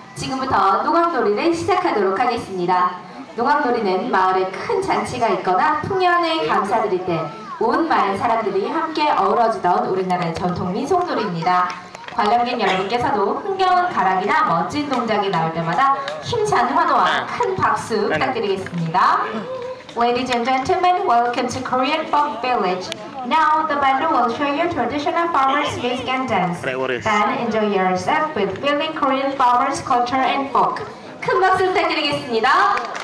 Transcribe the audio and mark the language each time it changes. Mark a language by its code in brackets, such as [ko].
[ko] 지금부터 농악놀이를 시작하도록 하겠습니다. 농악놀이는 마을에 큰 잔치가 있거나 풍년에 감사드릴 때 온 마을 사람들이 함께 어우러지던 우리나라의 전통 민속놀이입니다. 관람객 여러분께서도 흥겨운 가락이나 멋진 동작이 나올 때마다 힘찬 환호와 큰 박수 부탁드리겠습니다. [en] Ladies and gentlemen, welcome to Korean Folk Village. Now the band will show you traditional farmers music and dance. Then enjoy yourself with feeling Korean farmers culture and folk. [ko] 큰 박수 부탁드리겠습니다.